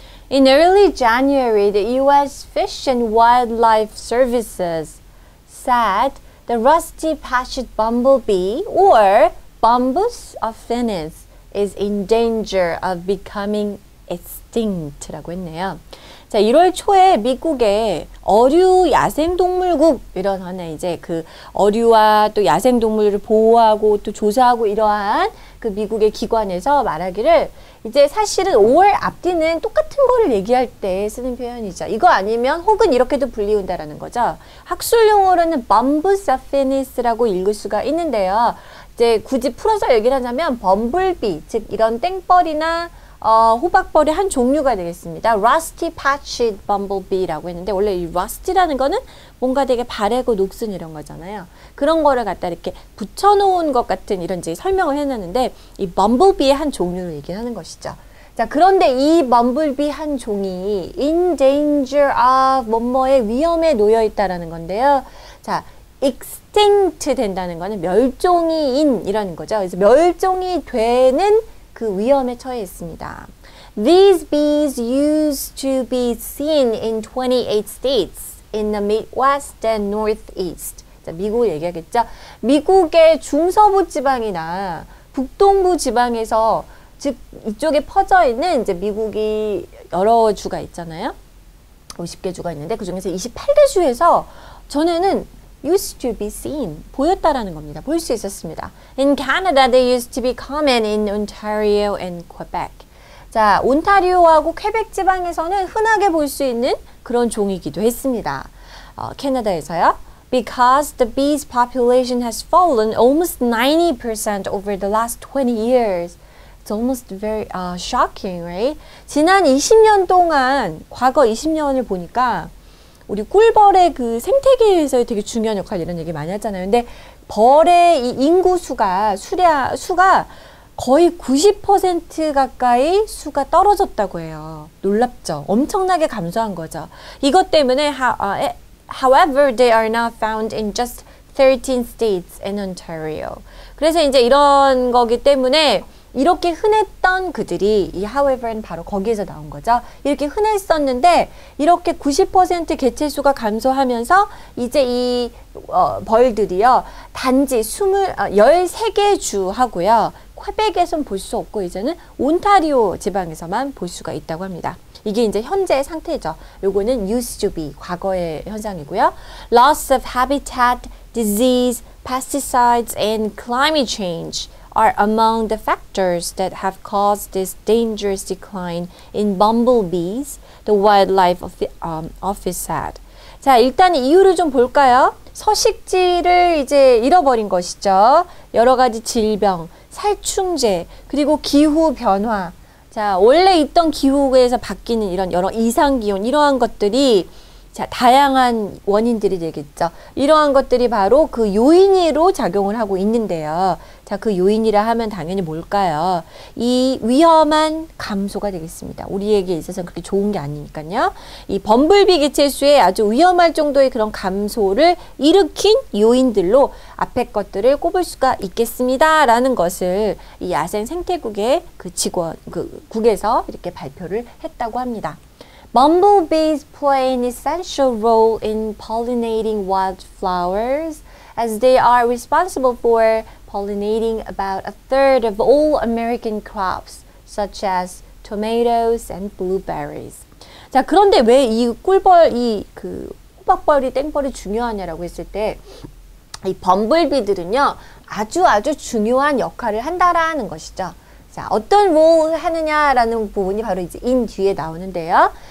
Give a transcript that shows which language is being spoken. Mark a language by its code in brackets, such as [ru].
[en] In early January, the US Fish and Wildlife Services said the rusty patched bumblebee, or Bombus affinis, is in danger of becoming extinct [ko] 라고 했네요. 자, 1월 초에 미국의 어류 야생동물국 이런 하나 이제 그 어류와 또 야생동물을 보호하고 또 조사하고 이러한 그 미국의 기관에서 말하기를 이제 사실은 5월 앞뒤는 똑같은 거를 얘기할 때 쓰는 표현이죠. 이거 아니면 혹은 이렇게도 불리운다라는 거죠. 학술 용어로는 범부스 아피니스라고 읽을 수가 있는데요. 이제 굳이 풀어서 얘기를 하자면 범블비, 즉 이런 땡벌이나 호박벌의 한 종류가 되겠습니다. Rusty Patched Bumblebee라고 했는데, 원래 이 Rust라는 거는 뭔가 되게 바래고 녹슨 이런 거잖아요. 그런 거를 갖다 이렇게 붙여놓은 것 같은 이런 이제 설명을 해놨는데, 이 Bumblebee의 한 종류를 얘기하는 것이죠. 자, 그런데 이 Bumblebee 한 종이 [en] In danger of [ko] 뭐뭐의 위험에 놓여있다라는 건데요. 자, Extinct 된다는 거는 멸종이인 이런 거죠. 그래서 멸종이 되는 그 위험에 처해 있습니다. [en] These bees used to be seen in 28 states in the Midwest and Northeast. [ko] 자, 미국 얘기하겠죠? 미국의 중서부 지방이나 북동부 지방에서, 즉 이쪽에 퍼져 있는 이제 미국이 여러 주가 있잖아요. 50개 주가 있는데 그중에서 28개 주에서 전에는 [en] used to be seen, [ko] 보였다라는 겁니다. 볼수 있었습니다. [en] In Canada, they used to be common in Ontario and Quebec. [ko] 자, 온타리오하고 퀘벡 지방에서는 흔하게 볼수 있는 그런 종이기도 했습니다. 캐나다에서요. [en] Because the bees population has fallen almost 90% over the last 20 years. It's almost very shocking, right? [ko] 지난 20년 동안, 과거 20년을 보니까 우리 꿀벌의 그 생태계에서의 되게 중요한 역할 이런 얘기 많이 하잖아요. 근데 벌의 이 인구 수가 수량 수가 거의 90% 가까이 수가 떨어졌다고 해요. 놀랍죠? 엄청나게 감소한 거죠. 이것 때문에 [en] however, they are now found in just 13 states in Ontario. [ko] 그래서 이제 이런 거기 때문에 이렇게 흔했던 그들이 이 however는 바로 거기에서 나온 거죠. 이렇게 흔했었는데 이렇게 90% 개체수가 감소하면서 이제 이 벌들이요. 단지 13개 주하고요. 퀘벡에서는 볼수 없고 이제는 온타리오 지방에서만 볼 수가 있다고 합니다. 이게 이제 현재 상태죠. 요거는 [en] used to be [ko] 과거의 현상이고요. [en] Loss of habitat, disease, pesticides and climate change are among the factors that have caused this dangerous decline in bumblebees, the wildlife office said. [ko] 자, 일단 이유를 좀 볼까요? 서식지를 이제 잃어버린 것이죠. 여러 가지 질병, 살충제, 그리고 기후 변화. 자, 원래 있던 기후에서 바뀌는 이런 여러 이상기온, 이러한 것들이 자, 다양한 원인들이 되겠죠. 이러한 것들이 바로 그 요인으로 작용을 하고 있는데요. 자, 그 요인이라 하면 당연히 뭘까요? 이 위험한 감소가 되겠습니다. 우리에게 있어서는 그렇게 좋은 게 아니니까요. 이 범블비 개체수의 아주 위험할 정도의 그런 감소를 일으킨 요인들로 앞에 것들을 꼽을 수가 있겠습니다라는 것을 이 야생 생태국의 그 직원, 그 국에서 이렇게 발표를 했다고 합니다. [en] Bumblebees play an essential role in pollinating wildflowers as they are responsible for pollinating about a third of all American crops, such as tomatoes and blueberries. [ko] 자, 그런데 왜이 꿀벌, 이그 호박벌이 땡벌이 중요하냐라고 했을 때, 이 범블비들은요, 아주 아주 중요한 역할을 한다라는 것이죠. 자, 어떤 무엇을 하느냐라는 부분이 바로 이제 in 뒤에 나오는데요.